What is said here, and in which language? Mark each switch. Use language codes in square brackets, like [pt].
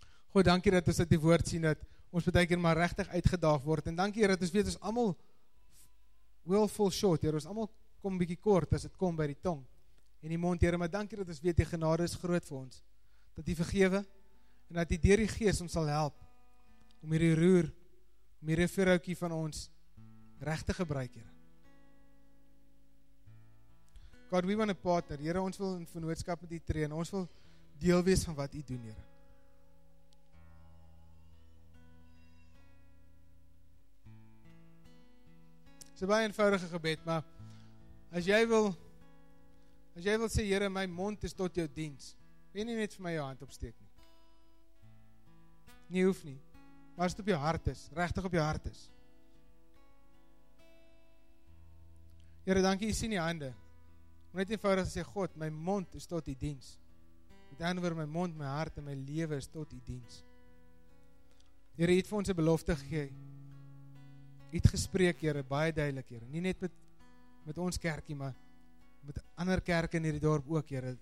[af] God, dankie dat ons dit die woord sien dat ons baie keer maar regtig uitgedaag word en dankie Here dat ons weet ons almal [en] we'll fall short, [af] Here. Ons almal kom bietjie kort as dit kom by die tong en die mond, Here, maar dankie dat ons weet die genade is groot vir ons. Dat die vergewe en dat die deur die Gees ons sal help om hierdie roer, om hierdie vuurhoutjie van ons reg te gebruik, Here. [en] God, we want to partner. [af] Here, ons wil in vennootskap met u tree en ons wil deel wees van wat u doen, Here. Dit is een baie eenvoudige gebed, maar as jy wil sê, Here, my mond is tot jou diens, wil jy nie net vir my jou hand opsteek nie. Nie hoef nie, maar as dit op jou hart is, regtig op jou hart is. Here, dankie, jy sien die hande. Moet net eenvoudig sê, God, my mond is tot die diens. Met ander woord, my mond, my hart en my lewe is tot die diens. Here, jy het vir ons 'n belofte gegee. Het gespreek, Here, baie duidelik, Here. Nie net met ons kerkie, maar met ander kerke in hierdie dorp ook, Here.